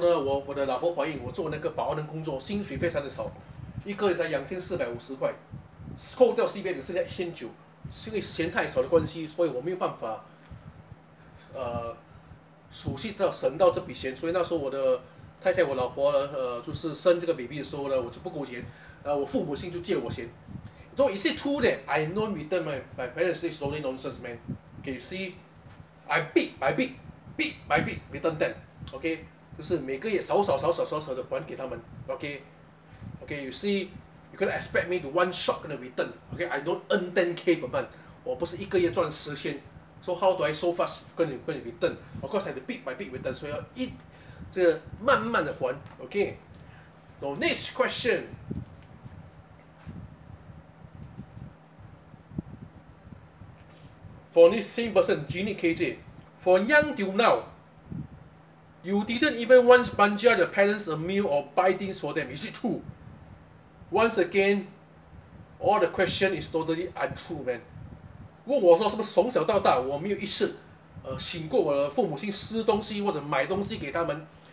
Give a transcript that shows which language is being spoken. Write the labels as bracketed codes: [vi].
[zh] 那时候呢，我的老婆怀孕，我做那个保安的工作， 薪水非常的少， 一个月才2450块， 扣掉 CPF 只剩下1,900， 因为钱太少的关系， 所以我没有办法， 储蓄到省到这笔钱。所以那时候我的太太我老婆就是生这个 baby 的时候呢， 我就不够钱， 我父母亲就借我钱。 [en] So is it true that I don't return my parents is only nonsense, man? Okay, you see, I beat by beat return them. [zh] Okay, 就是每个月少少的还给他们。 [en] Okay, you see, you can expect me to one shot gonna return. Okay, I don't earn 10k per month. [zh] 我不是一个月赚10,000. [en] So how do I so fast gonna return? Of course, I have to beat by beat return. So [zh] 要慢慢的还。 [en] Okay, now next question. For this same person, Genie KJ, for young till now, you didn't even once bungee out your parents a meal or buy things for them. Is it true? Once again, all the question is totally untrue, man. [zh] 问我说什么从小到大我没有一次请过我的父母亲吃东西或者买东西给他们。